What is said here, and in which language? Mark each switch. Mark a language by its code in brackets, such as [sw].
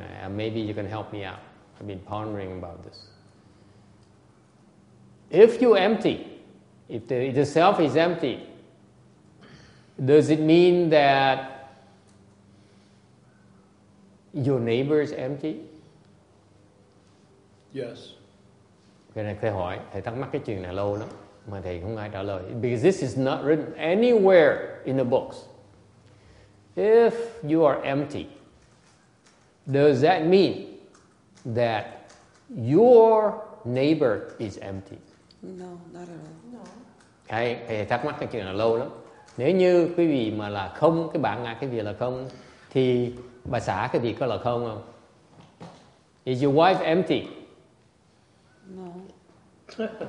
[en] Maybe you can help me out. I've been pondering about this. If you empty, if the self is empty, does it mean that your neighbor is empty? Yes. [vi] Cái này thầy hỏi, thầy thắc mắc cái chuyện này lâu lắm, mà thầy không ai trả lời. [en] Because this is not written anywhere in the books. If you are empty, does that mean that your neighbor is empty? No, not at all. No. [vi] Thầy thắc mắc cái chuyện này lâu lắm. Nếu như quý vị mà là không, cái bạn ngã cái vị là không, thì bà xã cái vị có là không không? [en] Is your wife empty? No.